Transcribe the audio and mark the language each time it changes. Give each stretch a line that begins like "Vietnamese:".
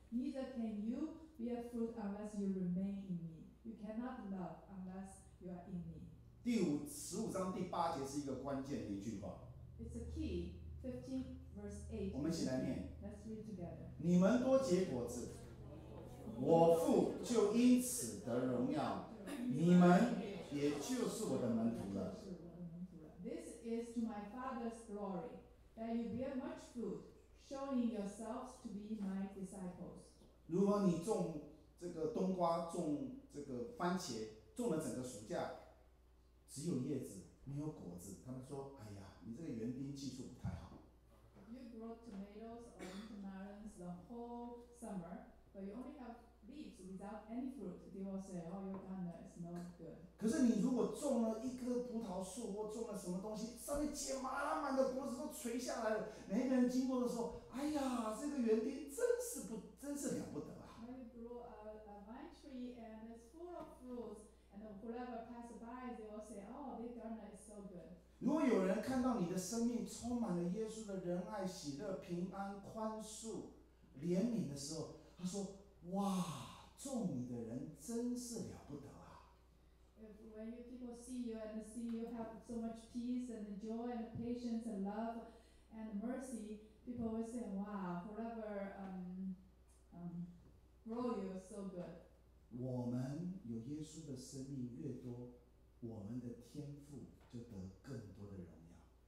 English: Neither can you bear fruit unless you remain in me. You cannot love unless you are in me.
Chinese: 第五十五章第八节是一个关键的一句话。
English: It's a key. 15:8.
Chinese: 我们一起来念。
English: Let's read together.
Chinese: 你们多结果子，我父就因此得荣耀，你们也就是我的门徒了。
English: This is to my Father's glory that you bear much fruit. Showing yourselves to be my disciples.
Chinese: 如果你种这个冬瓜，种这个番茄，种了整个暑假，只有叶子没有果子，他们说：“哎呀，你这个园丁技术不太好。”
English: You grow tomatoes or melons the whole summer, but you only have leaves without any fruit. They will say, "Oh, your gardener is not good."
Chinese: 可是你如果种了一棵葡萄树，或种了什么东西，上面结满满的果子都垂下来了，每个人经过的时候，哎呀，这个园丁真是了不得啊！
English: When you grow a vine tree and it's full of fruits, and whoever passes by, they will say, "Oh, this gardener is so good."
Chinese: 如果有人看到你的生命充满了耶稣的仁爱、喜乐、平安、宽恕、怜悯的时候，他说。哇，种你的人真是了不得啊！
English: If when when you people see you and see you have so much peace and joy and patience and love and mercy, people will say, wow, forever grow you so good.
Chinese: 我们有耶稣的生命越多，我们的天父就得更多的荣耀。